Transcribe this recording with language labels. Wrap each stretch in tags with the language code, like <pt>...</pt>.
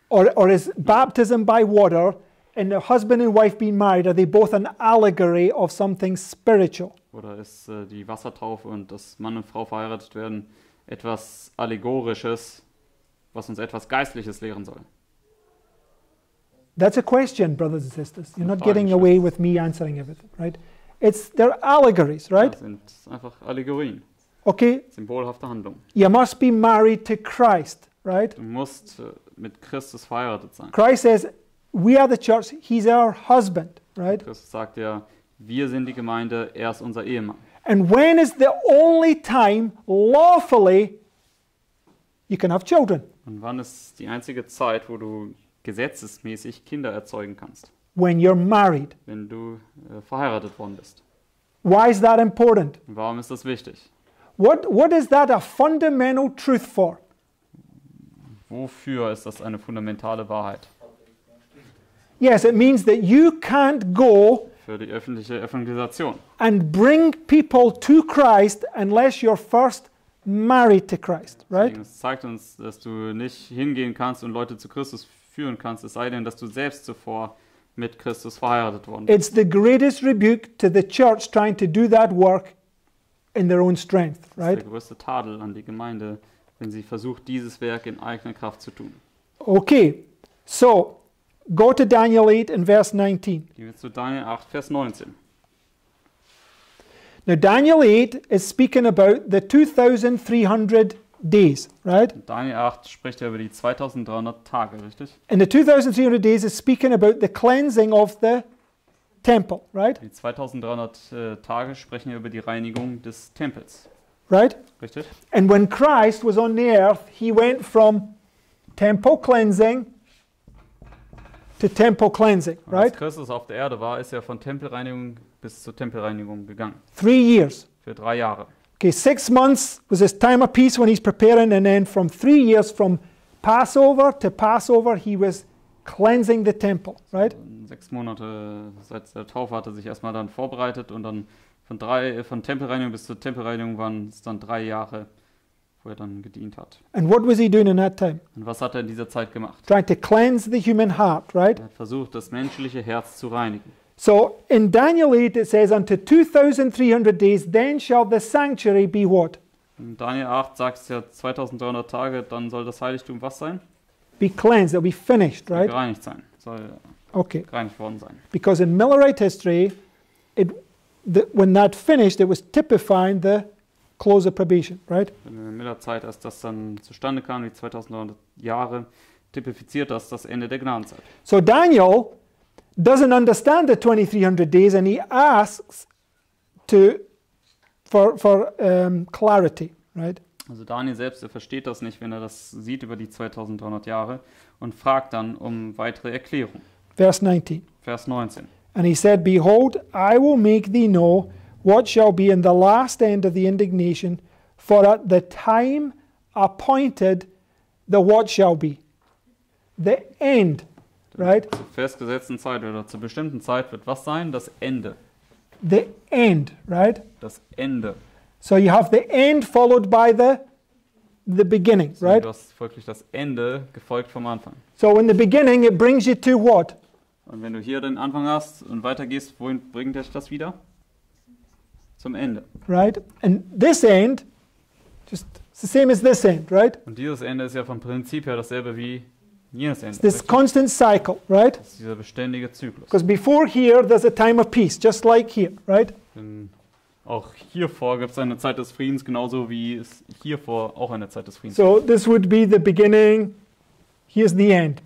<en>Or is baptism by water and the husband and wife being married, are they both an allegory of something spiritual?</en> <de>Oder ist die Wassertaufe und dass Mann und Frau verheiratet werden etwas Allegorisches, was uns etwas Geistliches lehren soll?</de> <en>That's a question, brothers and sisters. You're not getting away with me answering everything, right? They're allegories, right?</en> <de>Ja, sind einfach Allegorien.</de> <en>Okay.</en> <de>Symbolhafte Handlung.</de> <en>You must be married to Christ, right?</en> <de>Du musst mit Christus verheiratet sein.</de> <en>Christ says, we are the church, he's our husband, right?</en> <de>Christus sagt ja, wir sind die Gemeinde, er ist unser Ehemann.</de> <en>And when is the only time lawfully you can have children?</en> <de>Und wann ist die einzige Zeit, wo du gesetzesmäßig Kinder erzeugen kannst?</de> <en>When you're married.</en> <de>Wenn du verheiratet worden bist.</de> <en>Why is that important?</en> <de>Warum ist das wichtig?</de> <en>What is that a fundamental truth for?</en> <de>Wofür ist das eine fundamentale Wahrheit?</de> <en>Yes, it means that you can't go</en> <de>für die öffentliche Evangelisation</de> <en>and bring people to Christ unless you're first married to Christ, right?</en> <de>Es zeigt uns, dass du nicht hingehen kannst und Leute zu Christus führen kannst, es sei denn, dass du selbst zuvor mit Christus verheiratet worden bist.</de> <en>It's the greatest rebuke to the church trying to do that work in their own strength, right?</en> <de>Das ist der größte Tadel an die Gemeinde, wenn sie versucht, dieses Werk in eigener Kraft zu tun.</de> <en>Okay, so go to Daniel 8 in verse 19.</en> <de>Gehen wir zu Daniel 8, Vers 19.</de> <en>Now Daniel 8 is speaking about the 2300 days, right?</en> <de>Daniel 8 spricht ja über die 2300 Tage, richtig?</de> <en>And the 2300 days is speaking about the cleansing of the temple, right?</en> <de>Die 2300 Tage sprechen ja über die Reinigung des Tempels.</de> <en>Right?</en> <de>Richtig?</de> <en>And when Christ was on the earth, he went from temple cleansing to temple cleansing, right?</en> <de>Als Christus auf der Erde war, ist er von Tempelreinigung bis zur Tempelreinigung gegangen.</de> <en>3 years.</en> <de>Für 3 Jahre.</de> <en>Okay, 6 months was his time of peace when he's preparing, and then from 3 years, from Passover to Passover, he was cleansing the temple, right?</en> <de>6 Monate seit der Taufe hatte sich erstmal dann vorbereitet, und dann von Tempelreinigung bis zur Tempelreinigung waren es dann 3 Jahre, wo er dann gedient hat.</de> <en>And what was he doing in that time?</en> <de>Und was hat er in dieser Zeit gemacht?</de> <en>Trying to cleanse the human heart, right?</en> <de>Er hat versucht, das menschliche Herz zu reinigen.</de> <en>So in Daniel 8 it says, unto 2300 days, then shall the sanctuary be what?</en> <de>In Daniel 8 sagt es ja, 2300 Tage, dann soll das Heiligtum was sein?</de> <en>Be cleansed, it'll be finished, right?</en> <de>Gereinigt sein. Soll</de> <en>okay.</en> <de>Gereinigt worden sein.</de> <en>Because in Millerite history, when that finished, it was typifying the close of probation, right?</en> <de>In der Millerzeit, als das dann zustande kam, die 2300 Jahre, typifiziert das Ende der Gnadenzeit.</de> <en>So Daniel doesn't understand the 2300 days, and he asks for clarity, right?</en> <de>Also Daniel selbst, er versteht das nicht, wenn er das sieht über die 2300 Jahre, und fragt dann um weitere Erklärung. Vers 19.</de> <en>And he said, behold, I will make thee know what shall be in the last end of the indignation, for at the time appointed the what shall be. The end. Right?</en> <de>Zur festgesetzten Zeit oder zur bestimmten Zeit wird was sein? Das Ende.</de> <en>The end, right?</en> <de>Das Ende.</de> <en>So you have the end followed by the beginning, right?</en> <de>So du hast folglich das Ende gefolgt vom Anfang.</de> <en>So in the beginning it brings you to what?</en> <de>Und wenn du hier den Anfang hast und weitergehst, wohin bringt dich das wieder? Zum Ende.</de> <en>Right? And this end, just it's the same as this end, right?</en> <de>Und dieses Ende ist ja vom Prinzip her dasselbe wie jenes Ende.</de> <en>It's this constant cycle, right?</en> <de>Das ist dieser beständige Zyklus.</de> <en>Because before here there's a time of peace, just like here, right?</en> <de>Denn auch hier vor gibt es eine Zeit des Friedens, genauso wie es hier vor auch eine Zeit des Friedens.</de> <en>So this would be the beginning. Here's the end.</en>